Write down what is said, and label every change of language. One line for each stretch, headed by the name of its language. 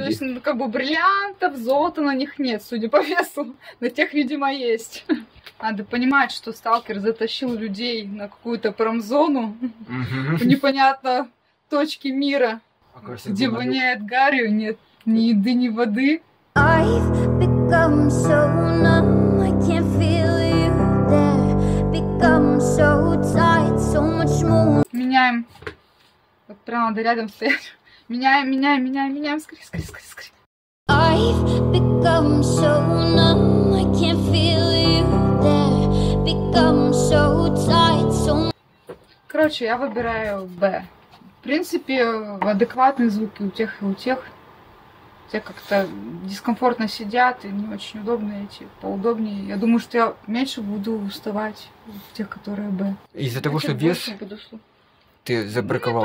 Russian: То есть, ну, как бы бриллиантов, золота на них нет, судя по весу. На тех, видимо, есть. Надо понимать, что Сталкер затащил людей на какую-то промзону. В непонятно точки мира. Где воняет гарью, нет ни еды, ни воды.
English: I've become so numb, I can't feel you there.
Russian: Меняем. Вот прямо надо рядом стоять. Меняем. Скорее.
English: I've become so numb, I can't feel you there. Become so tight, so...
Russian: Короче, я выбираю Б. В принципе, адекватные звуки у тех и у тех. Те как-то дискомфортно сидят и не очень удобно идти, поудобнее. Я думаю, что я меньше буду уставать в тех, которые Б. Из-за того, что вес ты забраковала?